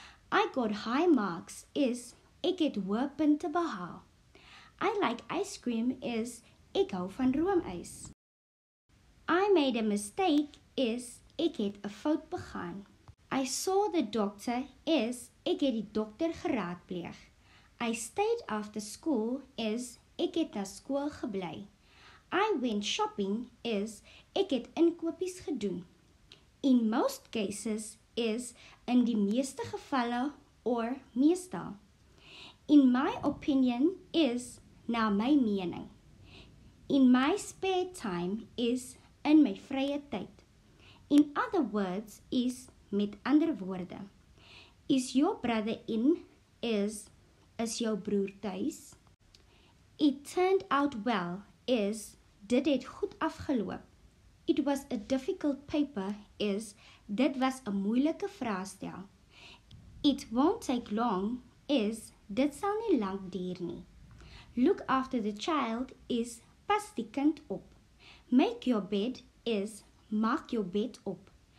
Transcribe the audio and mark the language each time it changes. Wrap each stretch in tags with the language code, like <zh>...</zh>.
<en>I got high marks</en> <af>is, ek het hoë punte behaal.</af> <en>I like ice cream</en> <af>is, ek hou van roomys.</af> <en>I made a mistake</en> <af>is, ek het 'n fout begaan.</af> <en>I saw the doctor</en> <af>is, ek het die dokter geraadpleeg.</af> <en>I stayed after school</en> <af>is, ek het na skool gebly.</af> <en>I went shopping</en> <af>is, ek het inkopies gedoen.</af> <en>In most cases</en> <af>is, in die meeste gevalle or meestal.</af> <en>In my opinion</en> <af>is, na my mening.</af> <en>In my spare time</en> <af>is, in my vrye tyd.</af> <en>In other words is,</en> <af>met ander woorde.</af> <en>Is your brother in?</en> <af>Is jou broer thuis?</af> <en>It turned out well</en> <af>is, dit het goed afgeloop.</af> <en>It was a difficult paper</en> <af>is, dit was 'n moeilike vraestel.</af> <en>It won't take long</en> <af>is, dit sal nie lank duur nie.</af> <en>Look after the child</en> <af>is, pas die kind op.</af> <en>Make your bed</en> <af>is, maak jou bed op.</af>